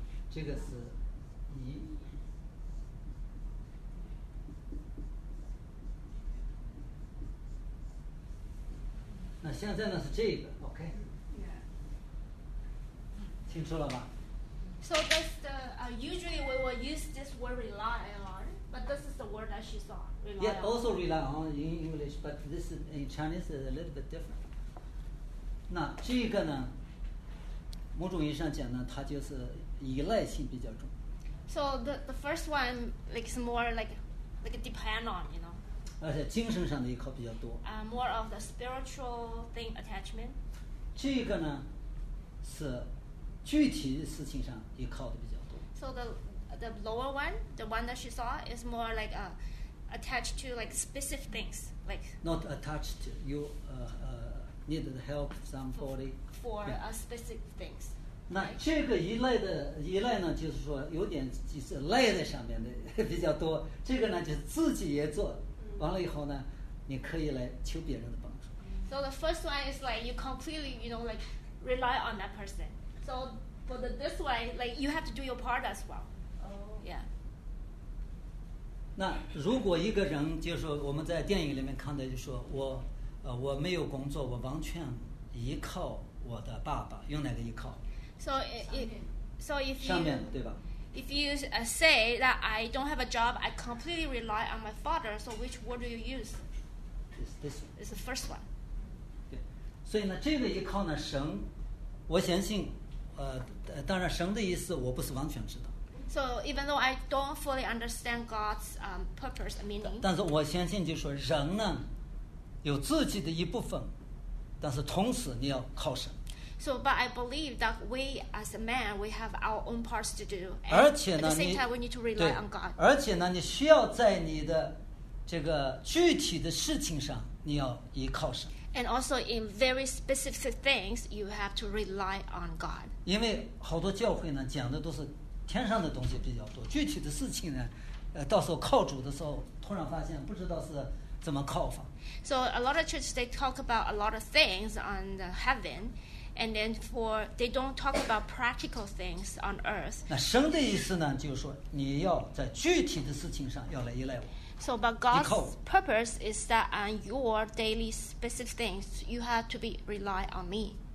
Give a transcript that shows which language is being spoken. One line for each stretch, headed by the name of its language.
Chinese: 这个是你那现在呢是这个 OK 清楚了吗
English: So that's the usually we will use this word rely onBut this is the word that she saw. Rely yeah, also rely on in English, but this is, in Chinese is a little bit different.
Chinese: 那这个呢，某种意义上讲呢，它就是依赖性比较重。
English: So the first one like is more like depend on, you know.
Chinese: 而且精神上的依靠比较多。
English: More of the spiritual thing attachment.
Chinese: 这个呢，是具体的事情上依靠的比较多。
English: So the lower one, the one that she saw, is more like attached to like specific things. Like not attached to, you need the help somebody. For、 yeah. Specific things.
Chinese: 那这个依赖的依赖呢就是说有点就是赖在上面的比较多。这个呢就是自己也做完了以后呢你可以来求别人的帮助。
English: So the first one is like you completely, you know, like rely on that person. So for the, this way, like you have to do your part as well. Yeah.
Chinese: 那如果一个人就是我们在电影里面看的就说我我没有工作我完全依靠我的爸爸用哪个依靠
English: so if you,
Chinese: 上面的对吧
English: if you say that I don't have a job I completely rely on my father so which word do you use it's the first one
Chinese: 对所以呢这个依靠呢神我相信当然神的意思我不是完全知道
English: So even though I don't fully understand God's purpose and meaning,
Chinese: 但是我相信就是说人呢，有自己的一部分，但是同时你要靠神。
English: So, but I believe that we as a man we have our own parts to do.
Chinese: 而且呢，
English: at the same time we need to rely on God.
Chinese: 而且呢，你需要在你的这个具体的事情上，你要依靠神。
English: And also in very specific things, you have to rely on God.
Chinese: 因为好多教会呢讲的都是。天上的东西比较多具体的事情呢到时候靠主的时候突然发现不知道是怎么靠法
English: so a lot of churches they talk about a lot of things on the heaven and then for they don't talk about practical things on earth
Chinese: 那神的意思呢就是说你要在具体的事情上要来依赖我
English: so but God's purpose is that on your daily specific things you have to be rely on me